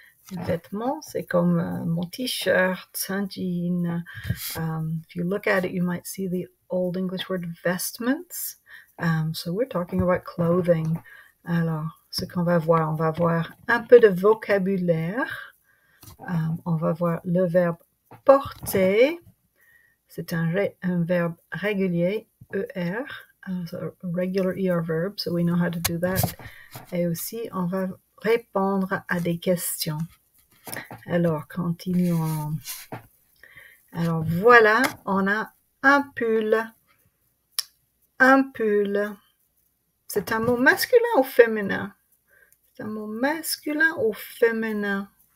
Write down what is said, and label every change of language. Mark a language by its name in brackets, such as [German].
[French] Vêtements, c'est comme mon t-shirt, un jean. [English] If you look at it, you might see the old English word vestments. So we're talking about clothing. [French] Alors, ce qu'on va voir. On va voir un peu de vocabulaire. On va voir le verbe porter. C'est un verbe régulier, ER. [English] So regular ER verb, so we know how to do that. [French] Et aussi, on va répondre à des questions. Alors, continuons. Alors, voilà, on a un pull. Un pull. C'est un mot masculin ou féminin? C'est un mot masculin ou féminin?